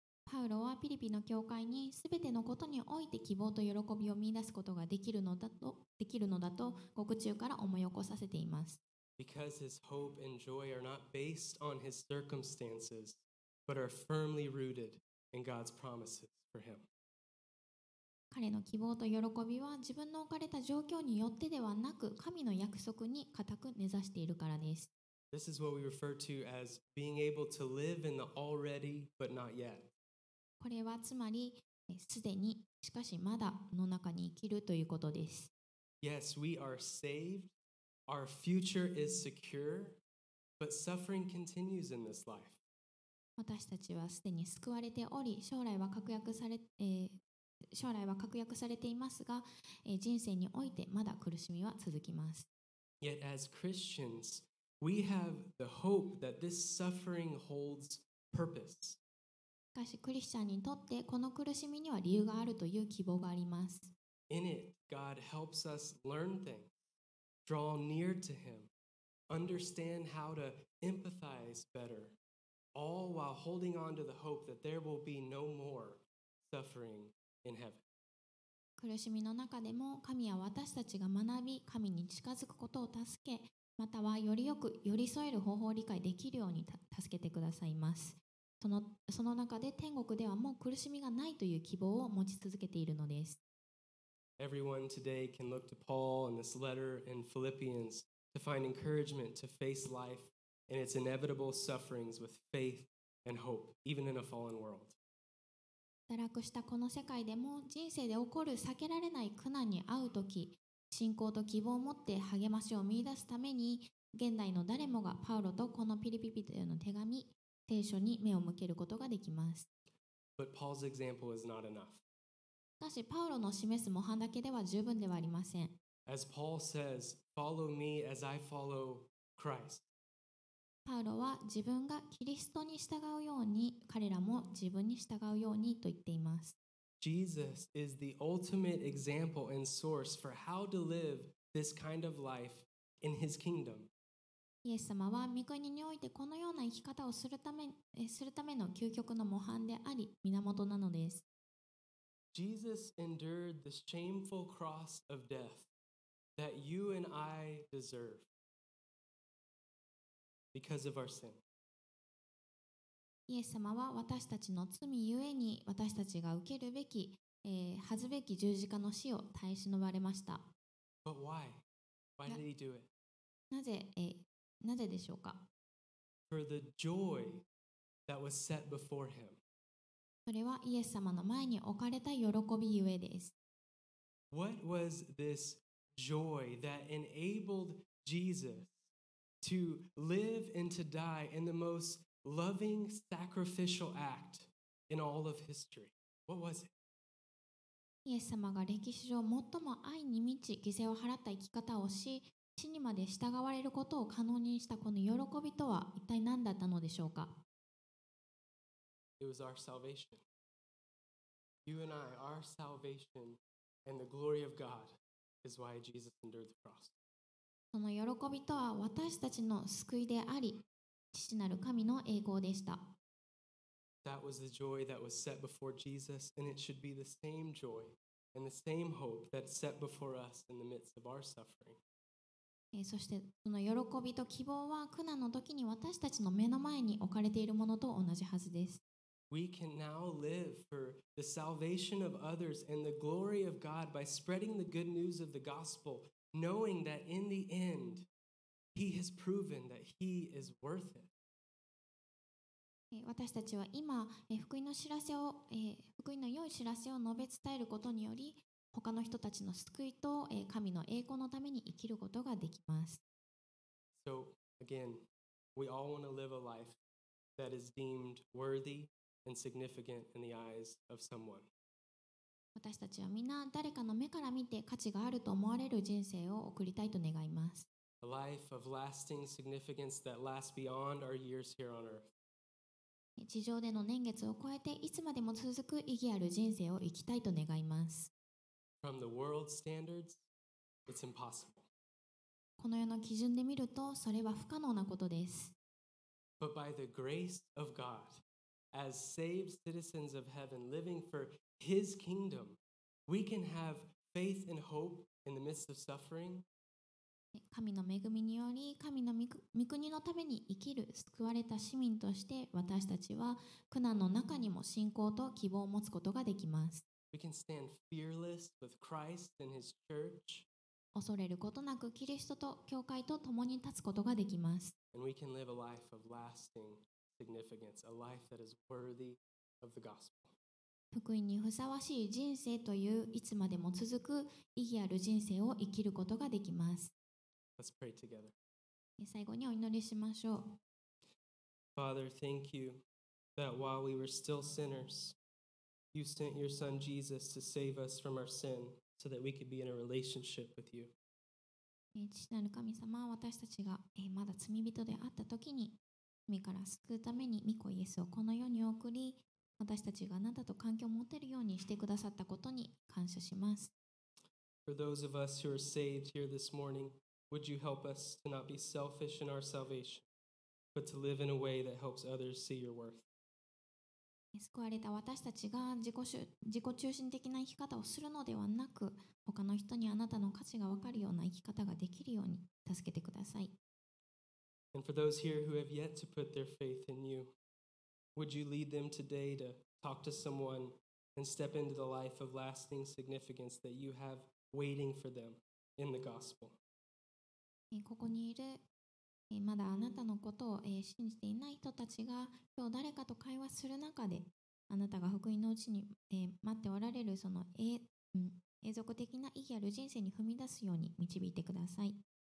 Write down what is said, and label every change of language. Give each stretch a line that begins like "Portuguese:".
Japanese: パウロはピリピの教会にすべてのことにおいて希望と喜びを見出すことができるのだと獄中から思い起こさせています。
English: Because his hope and joy are not based on his circumstances. But are firmly rooted in God's promises for him.
Japanese: 彼の希望と喜びは自分の置かれた状況によってではなく、神の約束に固く根ざしているからです。
English: This is what we refer to as being able to live in the already but not yet.
Japanese: これはつまり、すでに、しかしまだの中に生きるということです。
English: Yes, we are saved. Our future is secure. But suffering continues in this life.
Japanese: 私たちはすでに救われており、将来は確約されていますが、人生においてまだ苦しみは続きます。
English: Yet as Christians, we have the hope that this suffering holds purpose.
Japanese: しかし、クリスチャンにとってこの苦しみには理由があるという希望があります。
English: In it, God helps us learn things, draw near to Him, understand how to empathize better. All while holding on to the hope that there will be no more suffering in heaven.
Japanese: 苦しみの中でも神は私たちが学び神に近づくことを助け、またはよりよく寄り添える方法を理解できるように助けてくださいます。その中で天国ではもう苦しみがないという希望を持ち続けているのです。
English: Everyone today can look to Paul and this letter in Philippians to find encouragement to face life. And its inevitable sufferings with faith and hope, even in a fallen world.
Japanese: 堕落したこの世界でも人生で起こる避けられない苦難に遭うとき、信仰と希望を持って励ましを見出すために、現代の誰もがパウロとこのピリピ人への手紙、聖書に目を向けることができます。
English: But Paul's example is not enough.
Japanese: しかし、パウロの示す模範だけでは十分ではありません。
English: As Paul says, follow me as I follow Christ.
Japanese: パウロは自分がキリストに従うように、彼らも自分に従うようにと言っています。
English: Jesus is the ultimate example and source for how to live this kind of life in his kingdom.
Japanese: イエス様は御国においてこのような生き方をするための究極の模範であり、源なのです。
English: Jesus endured the shameful cross of death that you and I deserve. Because of our sin.
Japanese: イエス様は私たちの罪ゆえに私たちが受けるべき、恥ずべき十字架の死を耐え忍ばれました。
English: But why? Why did he do it?
Japanese: なぜでしょうか?
English: For the joy that was set before him.
Japanese: それはイエス様の前に置かれた喜びゆえです。
English: What was this joy that enabled Jesus? To live and to die in the most loving sacrificial act in all of history. What was it?
Japanese: イエス様が歴史上最も愛に満ち犠牲を払った生き方をし死にまで従われることを可能にしたこの喜びとは一体何だったのでしょうか。
English: It was our salvation. You and I, our salvation and the glory of God is why Jesus endured the cross.
Japanese: その喜びとは私たちの救いであり父なる神の栄光でした。
English: That was the joy that was set before Jesus, and it should be the same joy and the same hope that's set before us in the midst of our suffering.
Japanese: そしてその喜びと希望は苦難の時に私たちの目の前に置かれているものと同じはずです。
English: We can now live for the salvation of others and the glory of God by spreading the good news of the gospel, knowing that in the end, He has proven that He is worth it.
Japanese: 私たちは今福音の知らせを福音の良い知らせを述べ伝えることにより他の人たちの救いと神の栄光のために生きることができます。
English: So again, we all want to live a life that is deemed worthy and significant in the eyes of someone.
Japanese: 私たちはみんな誰かの目から見て価値があると思われる人生を送りたいと願います。
English: A life of lasting significance that lasts beyond our years here on earth.
Japanese: 地上での年月を超えていつまでも続く意義ある人生を生きたいと願います。
English: From the world standards, it's impossible.
Japanese: この世の基準で見るとそれは不可能なことです。
English: But by the grace of God, as saved citizens of heaven living for His kingdom, we can have faith and hope in the midst of suffering.
Japanese: 神の恵みにより神の御国のために生きる救われた市民として私たちは苦難の中にも信仰と希望を持つことができます。
English: We can stand fearless with Christ and His church.
Japanese: 恐れることなくキリストと教会と共に立つことができます。
English: And we can live a life of lasting significance, a life that is worthy of the gospel.
Japanese: 福音にふさわしい人生といういつまでも続く意義ある人生を生きることができます。
English: Let's pray together.
Japanese: 最後にお祈りしましょう。
English: Father, thank you that while we were still sinners, you sent your son Jesus to save us from our sin so that we could be in a relationship with you.
Japanese: 父なる神様、私たちがまだ罪人であった時に、罪から救うために御子イエスをこの世に送り、私たちがあなたと関係を持てるようにしてくださったことに感謝します。
English: For those of us who are saved here this morning,Would you help us to not be selfish in our salvation, but to live in a way that helps others see your worth?
Japanese: 救われた私たちが自己中心的な生き方をするのではなく、他の人にあなたの価値が分かるような生き方ができるように助けてください。
English: And for those here who have yet to put their faith in you, would you lead them today to talk to someone and step into the life of lasting significance that you have waiting for them in the gospel?
Japanese: ここにいるまだあなたのことを信じていない人たちが今日誰かと会話する中であなたが福音のうちに待っておられるその永続的な意義ある人生に踏み出すように導いてください。